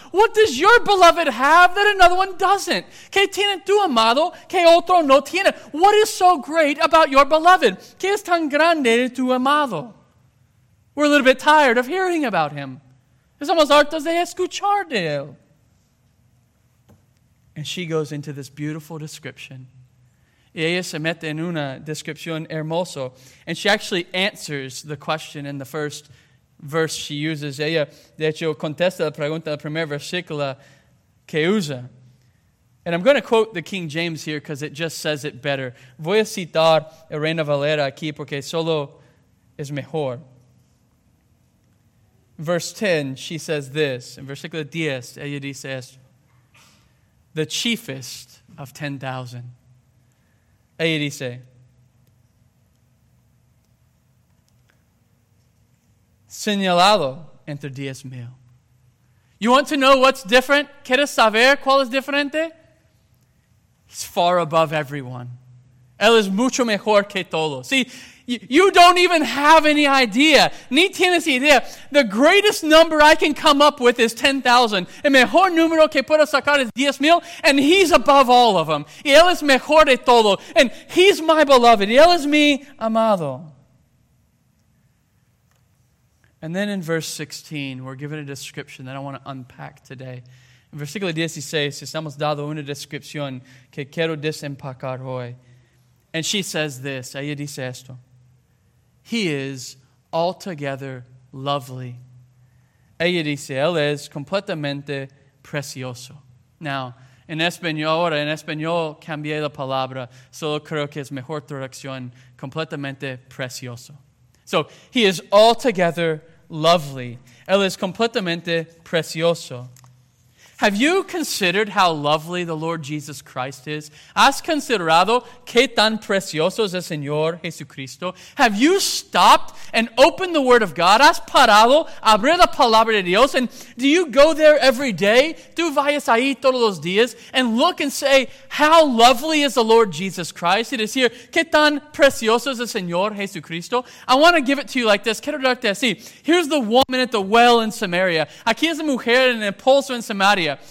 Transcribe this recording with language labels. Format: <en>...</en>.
<en>What does your beloved have that another one doesn't?</en> <es>¿Qué tiene tu amado que otro no tiene?</es> <en>What is so great about your beloved?</en> <es>¿Qué es tan grande de tu amado?</es> <en>We're a little bit tired of hearing about him.</en> <es>Estamos hartos de escuchar de él.</es> <en>And she goes into this beautiful description.</en> <es>Y ella se mete en una descripción hermosa.</es> <en>And she actually answers the question in the first verse she uses.</en> <es>Ella, de hecho, contesta la pregunta en el primer versículo que usa.</es> <en>And I'm going to quote the King James here because it just says it better.</en> <es>Voy a citar a Reina Valera aquí porque solo es mejor.</es> <en>Verse 10, she says this.</en> <es>In versículo 10, ella dice esto.</es> <en>The chiefest of 10,000.</en> <es>Ella dice, señalado entre 10,000.</es> <en>You want to know what's different?</en> <es>¿Quieres saber cuál es diferente?</es> <en>He's far above everyone.</en> <es>Él es mucho mejor que todos.</es> <en>See, you don't even have any idea.</en> <es>Ni tienes idea.</es> <en>The greatest number I can come up with is 10,000.</en> <es>El mejor número que puedo sacar es 10,000.</es> <en>And he's above all of them.</en> <es>Y él es mejor de todo.</es> <en>And he's my beloved.</en> <es>Y él es mi amado.</es> <en>And then in verse 16, we're given a description that I want to unpack today.</en> <es>In versículo 16, estamos dado una descripción que quiero desempacar hoy.</es> <en>And she says this.</en> <es>Ella dice esto.</es> <en>He is altogether lovely.</en> <es>Ella dice, él es completamente precioso. Now, en español, ahora en español cambié la palabra. Solo creo que es mejor traducción, completamente precioso.</es> <en>So, he is altogether lovely.</en> <es>Él es completamente precioso.</es> <en>Have you considered how lovely the Lord Jesus Christ is?</en> <es>¿Has considerado qué tan precioso es el Señor Jesucristo?</es> <en>Have you stopped and opened the Word of God?</en> <es>¿Has parado a abrir la Palabra de Dios?</es> <en>And do you go there every day?</en> <es>¿Tú vayas ahí todos los días?</es> <en>And look and say, how lovely is the Lord Jesus Christ? It is here.</en> <es>¿Qué tan precioso es el Señor Jesucristo?</es> <en>I want to give it to you like this.</en> <es>Quiero darte así.</es> <en>Here's the woman at the well in Samaria.</en> <es>Aquí es la mujer en el pozo en Samaria.</es>